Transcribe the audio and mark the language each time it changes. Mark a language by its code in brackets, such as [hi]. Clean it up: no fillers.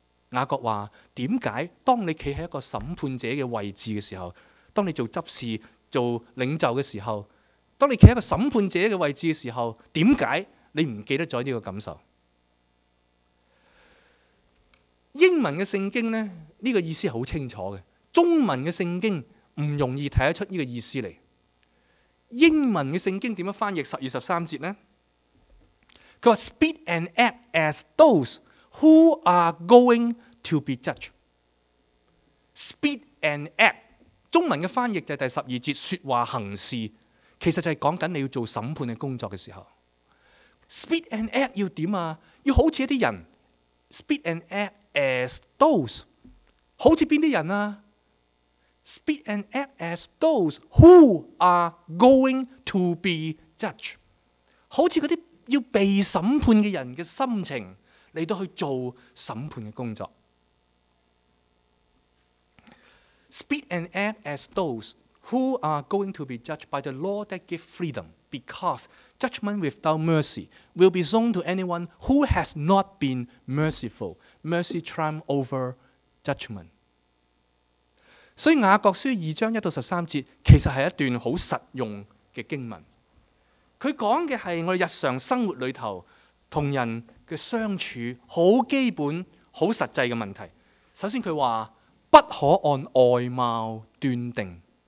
[zh] 雅各说，为什么当你站在一个审判者的位置的时候，当你做执事、做领袖的时候，当你站在一个审判者的位置的时候，为什么你不记得了这个感受？英文的圣经呢，这个意思是很清楚的。中文的圣经不容易看得出这个意思来。英文的圣经怎么翻译十二十三节呢？他说 [en] Speak and act as those who are going to be judged. Speak and act. [zh] 中文的翻译就是第十二节，说话行事，其实就是讲你要做审判的工作的时候。 [en] Speak and act [zh] 要怎样？要好像一些人。 [en] Speak and act as those. [zh] 好像哪些人啊？ [en] Speak and act as those who are going to be judged. 好像那些要被审判的人的心情来到去做审判的工作。 Speak and act as those who are going to be judged by the law that give freedom, because judgment without mercy will be zoned to anyone who has not been merciful. Mercy triumphs over judgment. [zh] 所以雅各书二章一到十三节其实是一段很实用的经文。他讲的是我们日常生活里头跟人的相处很基本、很实际的问题。首先他说，不可按外貌断定。